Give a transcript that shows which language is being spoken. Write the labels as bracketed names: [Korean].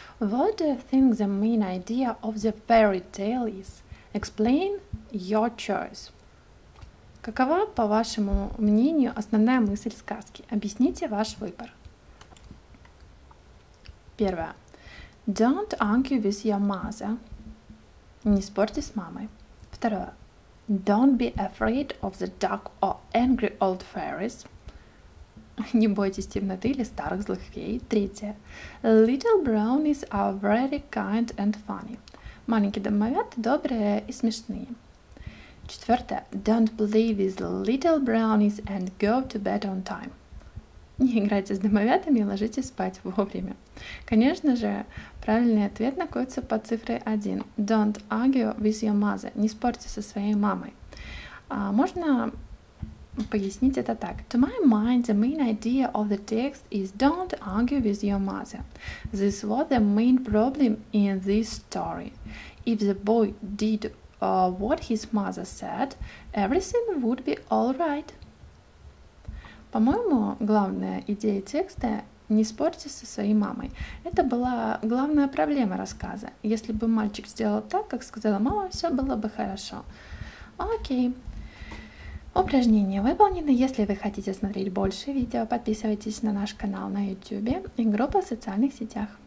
[English] What do you think the main idea of the fairy tale is? Explain your choice. [Russian] Какова, по вашему мнению, основная мысль сказки? Объясните ваш выбор. Первое. [English] Don't argue with your mother. [Russian] Не спорьте с мамой. Второе. [English] Don't be afraid of the dark or angry old fairies. [Russian] Не бойтесь темноты или старых злых фей. Третье. [English] Little brownies are very kind and funny. [Russian] Маленькие домовята добрые и смешные. Четвертое. [English] Don't play with little brownies and go to bed on time. [Russian] Не играйте с домовятами и ложитесь спать вовремя. Конечно же, правильный ответ находится под цифрой 1. [English] Don't argue with your mother. [Russian] Не спорьте со своей мамой. Можно пояснить это так. [English] To my mind, the main idea of the text is don't argue with your mother. This was the main problem in this story. If the boy did what his mother said, everything would be all right. [Russian] По-моему, главная идея текста – не спорьте со своей мамой. Это была главная проблема рассказа. Если бы мальчик сделал так, как сказала мама, все было бы хорошо. Окей. Упражнение выполнено. Если вы хотите смотреть больше видео, подписывайтесь на наш канал на YouTube и группу в социальных сетях.